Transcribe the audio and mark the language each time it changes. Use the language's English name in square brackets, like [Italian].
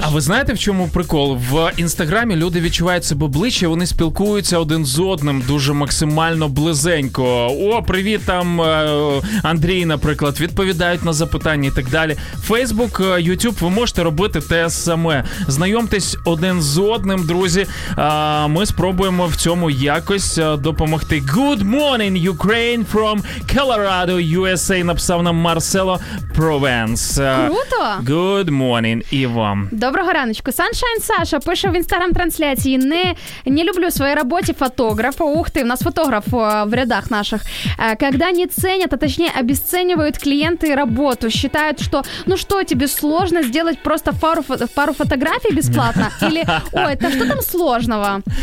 [Ukrainian] А ви знаєте, в чому прикол? В інстаграмі люди відчувають себе ближче, вони спілкуються один з одним дуже максимально близенько. О, привіт там, Андрій, наприклад, відповідають на запитання і так далі. Фейсбук, Ютуб, ви можете робити те саме. Знайомтесь один з одним, друзі. Ми спробуємо в цьому якось допомогти. [English] Good morning, Ukraine from Colorado, USA, [Ukrainian] написав нам Марсело Провенс. Круто! [English] Good morning [Ukrainian] і вам. Доброго раночку. Sunshine Саша пише в інстаграм-трансляції. Не люблю своєї роботі фотографа. Ух ти, в нас фотограф в рядах наших. [Russian] Когда не ценят, а точнее обесценивают клиенты работу. Считают, что, ну что, тебе сложно сделать просто пару фотографий бесплатно? Или, ой, та что там сложного?